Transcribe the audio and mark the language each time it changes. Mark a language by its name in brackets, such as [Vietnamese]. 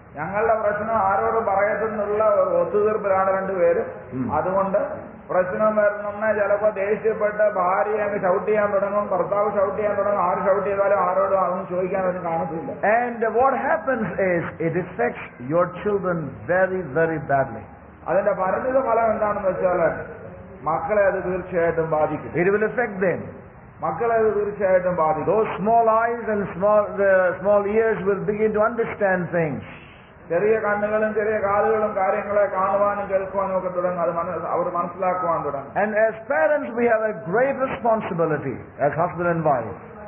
[Malayalam] ഞങ്ങളുടെ പ്രശ്നം ആരോട് പറയത്തുന്നുള്ള ഒത്തുതീർപ്പിലാണ് രണ്ടുപേരും. അതുകൊണ്ട് പ്രശ്നം വരുന്ന ചിലപ്പോ ദേഷ്യപ്പെട്ട് ഭാര്യ അങ്ങ് ഷൗട്ട് ചെയ്യാൻ തുടങ്ങും, ഭർത്താവ് ഷൗട്ട് ചെയ്യാൻ തുടങ്ങും, ആര് ഷൗട്ട് ചെയ്താലും ആരോടും അതൊന്നും ചോദിക്കാൻ അതിന് കാണത്തില്ല. [English] And what happens is it affects your children very, very badly. [Malayalam] അതിന്റെ പരിണിത ഫലം എന്താണെന്ന് വെച്ചാല് മക്കളെ അത് തീർച്ചയായിട്ടും ബാധിക്കും. [English] It will affect them. [Malayalam] മക്കളെ അത് തീർച്ചയായിട്ടും ബാധിക്കും. [English] Those small eyes and small ears will begin to understand things. [Malayalam] ചെറിയ കണ്ണുകളും ചെറിയ കാലുകളും കാര്യങ്ങളെ കാണുവാനും കേൾക്കുവാനും ഒക്കെ തുടങ്ങും, അത് അവർ മനസ്സിലാക്കുവാൻ തുടങ്ങും. [English] And as parents we have a great responsibility as husband and wife.